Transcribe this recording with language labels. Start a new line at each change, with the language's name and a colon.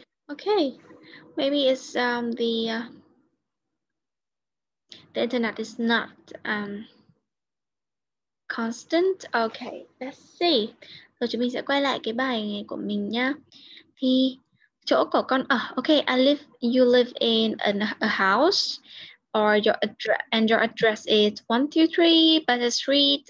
English: Okay, maybe it's the internet is not constant. Okay, let's see.
Vietnamese: Rồi chúng mình sẽ quay lại cái bài này của mình nhá. Thì chỗ của con ở.
English: Okay, you live in a house, or your address and your address is 123 Butter Street.